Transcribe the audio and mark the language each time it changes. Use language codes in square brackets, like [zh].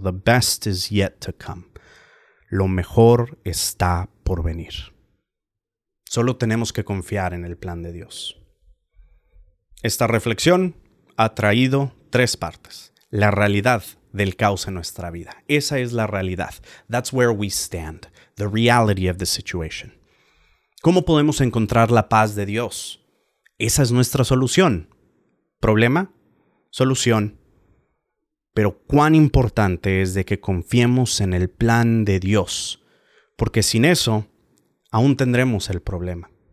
[en] The best is yet to come. [es] Lo mejor está por venir. Solo tenemos que confiar en el plan de Dios. Esta reflexión ha traído tres partes. La realidad del caos en nuestra vida. Esa es la realidad. [en] That's where we stand. The reality of the situation. [es] ¿Cómo podemos encontrar la paz de Dios? Esa es nuestra solución. ¿Problema? Solución. Pero cuán importante es de que confiemos en el plan de Dios, porque sin eso, aún tendremos el problema.